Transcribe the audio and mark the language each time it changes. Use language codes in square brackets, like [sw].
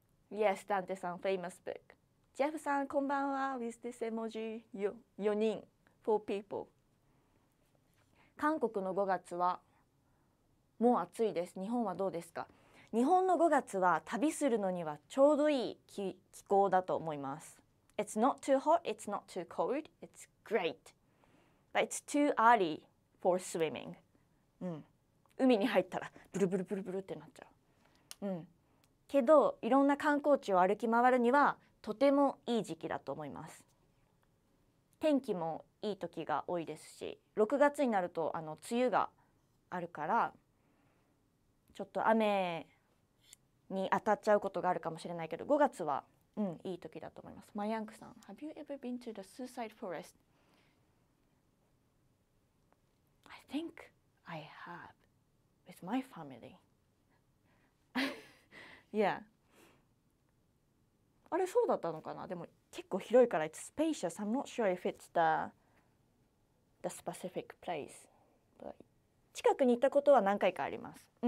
[en] Yes, Dante-san, famous book. Jeff-san, [ja] konbanwa, [en] with this emoji, [ja] yonin, [en] four people. [ja] 韓国の5月はもう暑いです。日本はどうですか？日本の5月は旅するのにはちょうどいい気候だと思います。 [en] It's not too hot, it's not too cold, it's great. But it's too early for swimming. [ja] 海に入ったらブルブルブルブルってなっちゃう。けど、いろんな観光地を歩き回るにはとてもいい時期だと思います。天気もいい時が多いですし、6月になるとあの梅雨があるから、ちょっと雨に当たっちゃうことがあるかもしれないけど、5月は、いい時だと思います。 [en] マヤンクさん、Have you ever been to the Suicide Forest? I think I have with my family. [ja] あれそうだったのかな。でも結構広いから [en] It's spacious. I'm not sure if it's the specific place. But [ja] 近くに行ったことは何回かあります。